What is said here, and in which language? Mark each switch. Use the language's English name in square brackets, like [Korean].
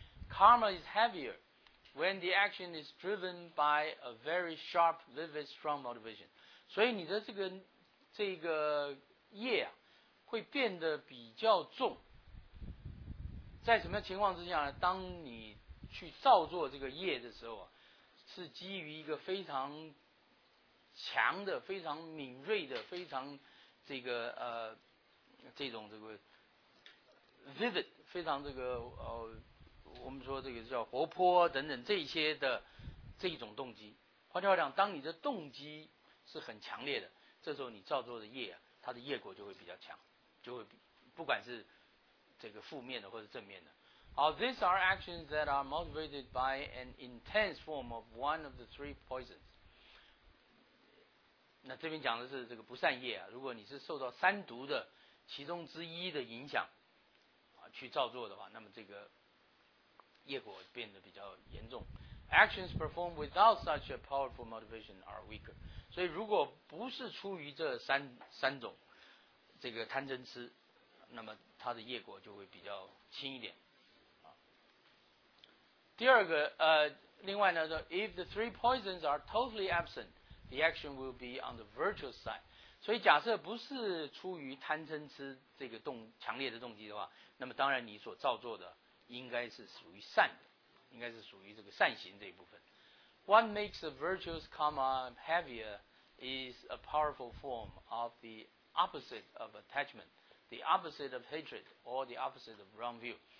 [English] Karma is heavier when the action is driven by a very sharp, vivid, strong motivation。 [Chinese] 所以你的这个业啊，会变得比较重。在什么情况之下呢？当你去造作这个业的时候，是基于一个非常强的、非常敏锐的、非常这个这种这个 vivid， 非常这个我们说这个叫活泼等等这些的这一种动机。换句话讲，当你的动机是很强烈的，这时候你造作的业，它的业果就会比较强，就会不管是这个负面的或者正面的。 [English] These are actions that are motivated by an intense form of one of the three poisons. [Chinese] 那这边讲的是这个不善业啊，如果你是受到三毒的其中之一的影响啊去造作的话，那么这个业果变得比较严重。 [English] Actions performed without such a powerful motivation are weaker. [Chinese] 所以如果不是出于这三种这个贪嗔痴，那么它的业果就会比较轻一点。第二个另外呢， [English] if the three poisons are totally absent, the action will be on the virtuous side. [Chinese] 所以假设不是出于贪嗔痴这个强烈的动机的话，那么当然你所造作的应该是属于善的，应该是属于这个善行这一部分。 [English] What makes a virtuous karma heavier is a powerful form of the opposite of attachment, the opposite of hatred, or the opposite of wrong view.